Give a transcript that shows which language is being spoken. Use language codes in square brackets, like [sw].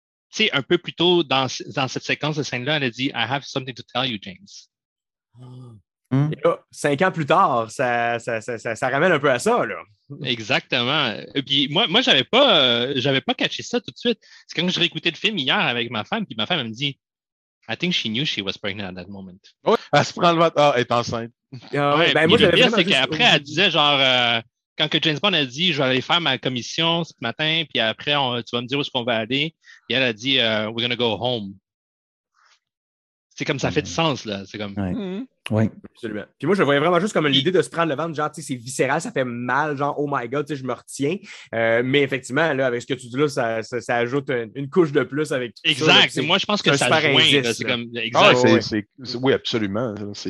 [fr] Tu sais, un peu plus tôt dans cette séquence de scène-là, elle a dit, [en] I have something to tell you, James. [fr] Et là, 5 ans plus tard, ça ramène un peu à ça, là. Exactement. Et puis moi j'avais pas catché ça tout de suite. C'est quand je réécoutais le film hier avec ma femme, puis ma femme, elle me dit, [en] I think she knew she was pregnant at that moment. [fr] Oh, elle se prend le ventre. Ah, elle est enceinte. Ouais, ben, moi, le pire, c'est qu'après, elle disait genre, quand que James Bond a dit, je vais aller faire ma commission ce matin, puis après, tu vas me dire où est-ce qu'on va aller. Et elle a dit, [en] we're going to go home. [fr] C'est comme ça fait du sens, là. C'est comme. Ouais. Mm-hmm. Ouais. Absolument. Puis moi, je le voyais vraiment juste comme l'idée de se prendre le ventre, genre, tu sais, c'est viscéral, ça fait mal, genre, [en] oh my god, [fr] tu sais, je me retiens. Mais effectivement, là, avec ce que tu dis là, ça ajoute une couche de plus avec tout exact. Ça. Exact. Moi, je pense que ça joint. Indice, là. C'est comme. Exact. Ah, c'est, oui, absolument. C'est...